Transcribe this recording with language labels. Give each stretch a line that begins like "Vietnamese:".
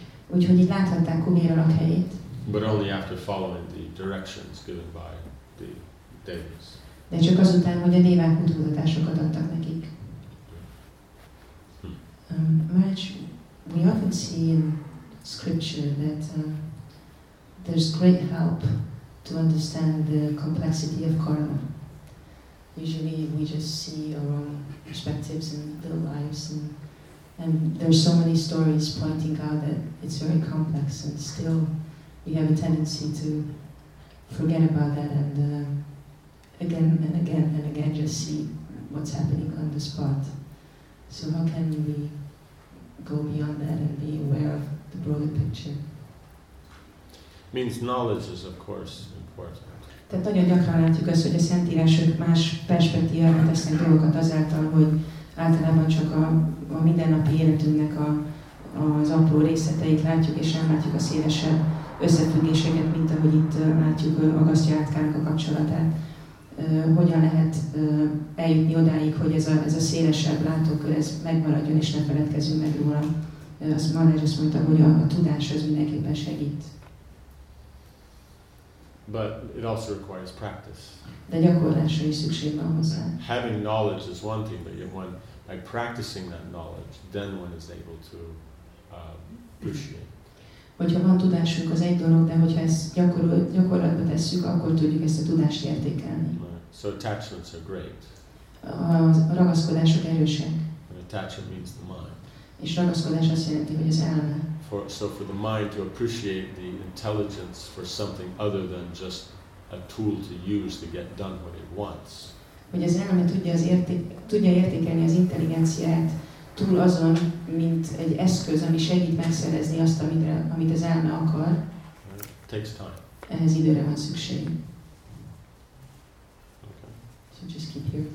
Hungarian: Úgyhogy itt láthatták Kuvera lakhelyét.
English: But only after following the directions given by the devas.
Hungarian: De csak azután, hogy a dévák utódatásokat adtak nekik.
English: Maharaj, we often see in scripture that there's great help to understand the complexity of karma. Usually we just see our own perspectives and little lives, and there's so many stories pointing out that it's very complex, and still we have a tendency to forget about that and again and again and again just see what's happening on the spot. So how can we go beyond that and be aware of the broader picture? Means knowledge is of course important.
Hungarian: Tehát nagyon gyakran látjuk azt, hogy a szentírások más perspektívára tesznek dolgokat azáltal, hogy általában csak a mindennapi életünknek az apró részleteit látjuk, és nem látjuk a szélesebb összefüggéseket, mint ahogy itt látjuk Agasztya átkának a kapcsolatát. Hogyan lehet eljutni odáig, hogy ez a szélesebb látókör ez megmaradjon és ne feledkezzünk meg róla. Azt Maharaj azt mondta, hogy a tudás az mindenképpen segít.
English: But it also requires practice.
Hungarian: De gyakorlásra is szükség van hozzá.
English: Having knowledge is one thing, but one by practicing that knowledge, then one is able to appreciate.
Hungarian: Hogyha van tudásunk, az egy dolog, de hogyha ezt gyakorlatba tesszük, akkor tudjuk ezt a tudást értékelni.
English: So attachments are great.
Hungarian: A ragaszkodások erősek.
English: And attachment means the mind.
Hungarian: És ragaszkodás azt jelenti, hogy az elme.
English: For the mind to appreciate the intelligence for something other than just a tool to use to get done what it wants.
Hungarian: Hogy az elme tudja értékelni az intelligenciát, túl azon, mint egy eszköz, ami segít megszerezni azt, amit az elme akar.
English: It takes time.
Hungarian: Ehhez időre van szükség.
English: Okay. So just keep here.